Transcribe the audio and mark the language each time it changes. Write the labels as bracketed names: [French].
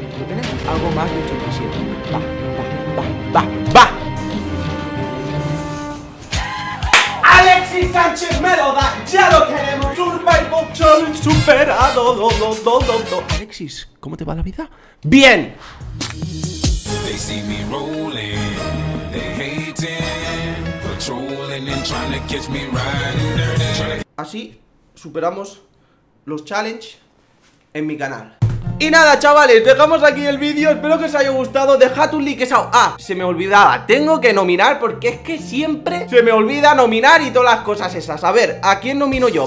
[Spanish] Lo tenemos, algo más de 87. Va, va, va, va, va. Alexis Sánchez me lo da, ya lo tenemos. Survival Challenge superado. Do. Alexis, ¿cómo te va la vida? ¡Bien! [English] They see me rolling, they hating, patrolling and trying to catch me riding dirty. [Spanish] Así superamos los challenge en mi canal. Y nada, chavales, dejamos aquí el vídeo. Espero que os haya gustado. Dejad un like. Ah, se me olvidaba. Tengo que nominar porque es que siempre se me olvida nominar y todas las cosas esas. A ver, ¿a quién nomino yo?